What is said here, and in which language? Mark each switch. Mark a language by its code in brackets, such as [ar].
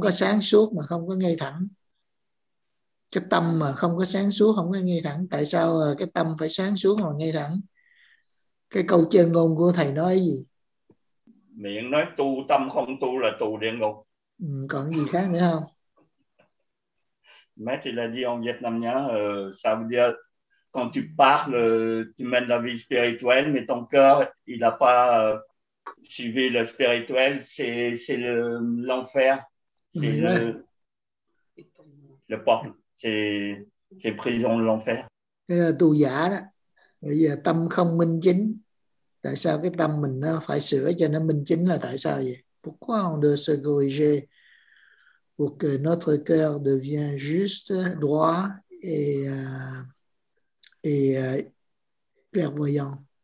[vi] có sáng suốt mà không có ngay thẳng. Cái tâm mà không có sáng suốt, không có ngay thẳng. Tại sao cái tâm phải sáng suốt mà ngay thẳng? Cái câu chân ngôn của thầy nói gì? Miệng nói tu tâm không tu là tu địa ngục. Ừ, còn gì khác nữa không? Mẹ thì là đi ông Việt Nam nhá. Sao bây giờ? [fr] Quand tu parles, tu mènes la vie spirituelle, mais ton cœur, il n'a pas suivi le spirituel, c'est le, l'enfer, c'est le porte, c'est prison de l'enfer. [vi] Cái là tu giả đó. Bây giờ tâm không minh chính. Tại sao cái tâm mình nó phải sửa cho nó minh chính là tại sao vậy? [fr] Pourquoi on doit se corriger pour que notre cœur devient juste, droit et et clairvoyant.